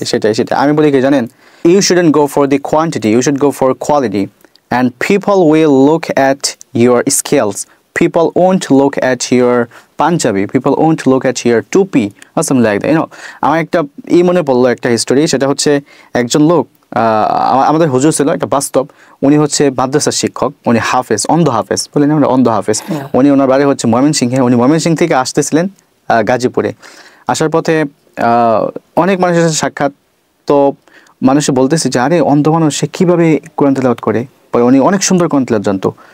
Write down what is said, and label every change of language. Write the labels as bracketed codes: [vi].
[bn] সেটা আমি বলি কি জানেন [en] You shouldn't go for the quantity you should go for quality And people will look at your skills. People won't look at your Punjabi. People won't look at your Tupi or something like that. [bn] You know, আমার একটা এই মনে পড়লো একটা history সেটা হচ্ছে একজন লোক আমাদের হুজুর ছিল একটা বাস্তব উনি হচ্ছে মাদ্রাসার শিক্ষক উনি হাফেজ অন্ধ হাফেজ বলি না অন্ধ হাফেজ উনি ওনার বাড়ি হচ্ছে ময়মনসিংহে উনি ময়মনসিংহ থেকে আসতেছিলেন গাজীপুরে আসার পথে অনেক মানুষের সাথে সাক্ষাৎ তো মানুষে বলতেছে যে আরে অন্ধ মানুষ সে কীভাবে কোরআন তেলাওয়াত করে পরে উনি অনেক সুন্দর কোরআন তেলাওয়াত জানতো